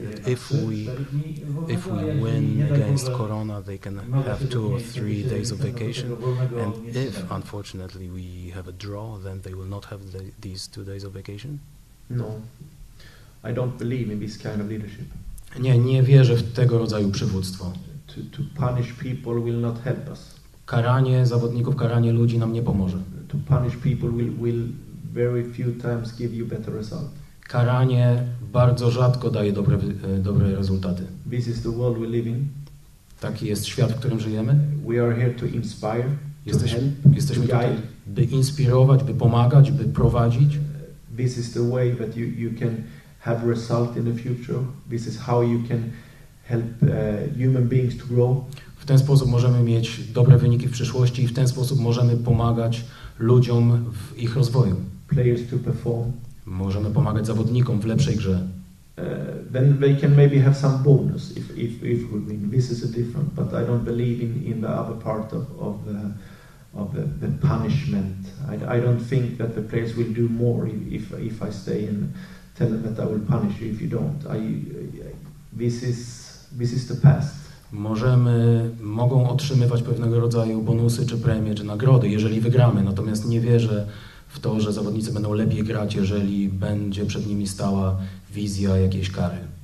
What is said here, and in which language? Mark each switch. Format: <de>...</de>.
<en>That if we win against Corona, they can have 2 or 3 days of vacation? And if, unfortunately, we have a draw, then they will not have these 2 days of vacation? No. I don't believe in this kind of leadership.</en> <pl>Nie wierzę w tego rodzaju przywództwo.</pl> <en>To punish people will not help us.</en> <pl>Karanie zawodników, karanie ludzi nam nie pomoże.</pl> <en>To punish people will very few times give you better result.</en> <pl>Karanie bardzo rzadko daje dobre rezultaty.</pl> <en>This is the world we live in.</en> <pl>Taki jest świat, w którym żyjemy.</pl> <en>We are here to inspire,</en> <pl>jesteśmy to tutaj, by inspirować, by pomagać, by prowadzić.</pl> <en>This is the way that you can have result in the future. This is how you can help human beings to grow.</en> <pl>W ten sposób możemy mieć dobre wyniki w przyszłości i w ten sposób możemy pomagać ludziom w ich rozwoju.</pl> <en>Players to perform.</en> <pl>Możemy pomagać zawodnikom w lepszej grze.</pl> <en>Then they can maybe have some bonus if we win. This is a different, but I don't believe in the other part of the punishment. I don't think that the players will do more if I stay in. Tell them that I will punish you if you don't. This is the past.</en> <pl>Mogą otrzymywać pewnego rodzaju bonusy, czy premie, czy nagrody, jeżeli wygramy. Natomiast nie wierzę w to, że zawodnicy będą lepiej grać, jeżeli będzie przed nimi stała wizja jakiejś kary.</pl>